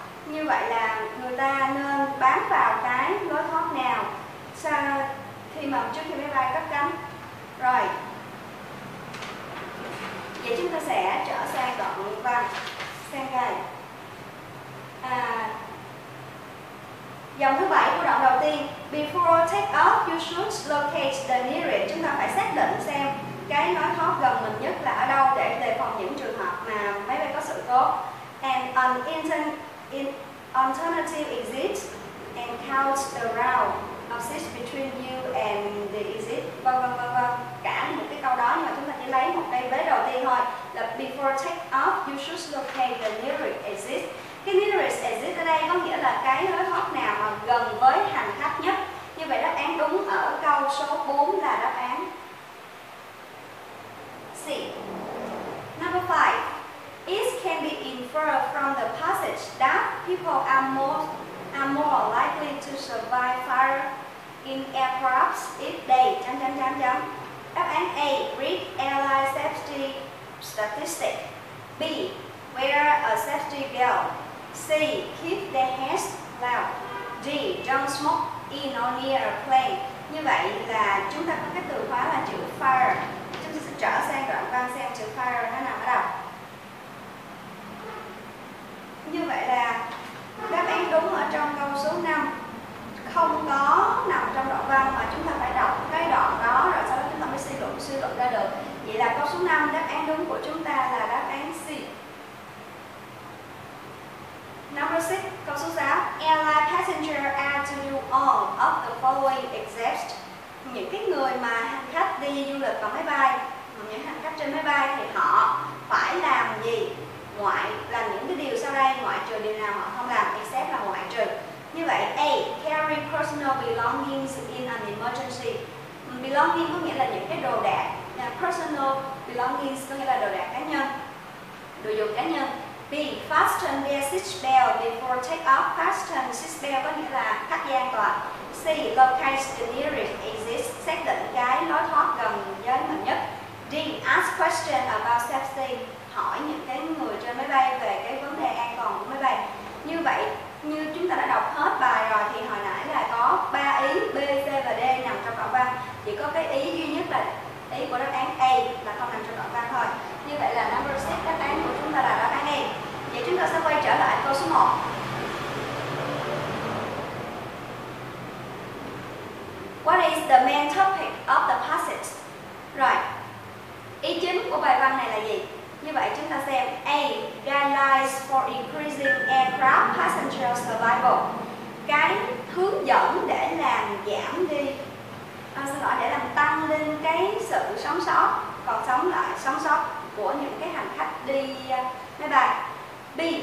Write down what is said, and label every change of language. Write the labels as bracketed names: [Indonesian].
[Vietnamese] Như vậy là người ta nên bám vào cái lối thoát nào sao khi mà trước khi máy bay cất cánh. Rồi, vậy chúng ta sẽ trở sang đoạn văn, sang đây. Dòng thứ 7 của đoạn đầu tiên. [English] Before take off, you should locate the nearest. [Vietnamese] Chúng ta phải xác định xem cái lối thoát gần mình nhất là ở đâu để đề phòng những trường hợp mà máy bay có sự cố. [English] And an alternative exit and count the round of seats between you and the exit. [Vietnamese] Cả một cái câu đó, nhưng mà chúng ta chỉ lấy một cái vế đầu tiên thôi, là [English] before take off you should locate the nearest exit. [Vietnamese] Cái nearest exit ở đây có nghĩa là cái lối thoát nào mà gần với hành khách nhất. Như vậy đáp án đúng ở câu số 4 là đáp án C. [English] Number 5, it can be inferred from the passage that people are more likely to survive fire in aircrafts if they [Vietnamese] Đáp án A, [English] read airline safety statistic. B, wear a safety belt. C, keep their heads low. D, don't smoke in or near a plane. [Vietnamese] Như vậy là chúng ta có cái từ khóa là chữ fire. Chúng ta sẽ trở sang đoạn văn xem chữ fire nó nằm ở đâu. Như vậy là đáp án đúng ở trong câu số 5 không có nằm trong đoạn văn, mà chúng ta phải đọc cái đoạn đó rồi sau đó chúng ta mới suy luận ra được. Vậy là câu số 5 đáp án đúng của chúng ta là đáp án C. [English] Number 6, [Vietnamese] câu số 6, [English] airline passenger are to do all of the following except. [Vietnamese] Những cái người mà hành khách đi du lịch bằng máy bay, những hành khách trên máy bay thì họ phải làm gì? Ngoại là những cái điều sau đây, ngoại trừ điều nào họ không làm thì xét là ngoại trừ. Như vậy [English] A, carry personal belongings in an emergency. [Vietnamese] Belonging có nghĩa là những cái đồ đạc, personal belongings có nghĩa là đồ đạc cá nhân, đồ dùng cá nhân. [English] B, fasten their seat belt before take off. Fasten seat belt [Vietnamese] có nghĩa là cắt dây an toàn. [English] C, locate the nearest exit, [Vietnamese] xác định cái lối thoát gần với mình nhất. [English] D, ask question about safety, [Vietnamese] hỏi những cái người trên máy bay về cái vấn đề an toàn của máy bay. Như vậy, như chúng ta đã đọc hết bài rồi thì hồi nãy là có 3 ý B, C và D nằm trong đoạn văn. Chỉ có cái ý duy nhất là ý của đáp án A là không nằm trong đoạn văn thôi. Như vậy là number 6 đáp án của chúng ta là đáp án A. Vậy chúng ta sẽ quay trở lại câu số 1. [English] What is the main topic of the passage? Right. [Vietnamese] Ý chính của bài văn này là gì? Như vậy chúng ta xem A. [English] Guidelines for increasing aircraft passenger survival. [Vietnamese] Cái hướng dẫn để làm giảm đi, để làm tăng lên cái sự sống sót, còn sống lại, sống sót của những cái hành khách đi máy bay. B.